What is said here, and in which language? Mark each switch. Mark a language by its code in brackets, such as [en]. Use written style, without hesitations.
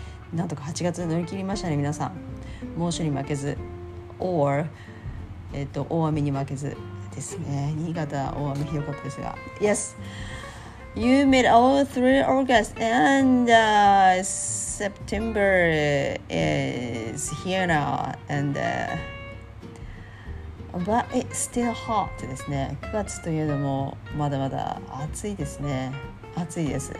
[ja] なんとか8月乗り切りましたね皆さん猛暑に負けず or 大雨に負けずですね新潟大雨ひどかったですが [en] Yes You made all through August and September is here now and but it's still hot [ja] ですね 9月というのもまだまだ暑いですね暑いです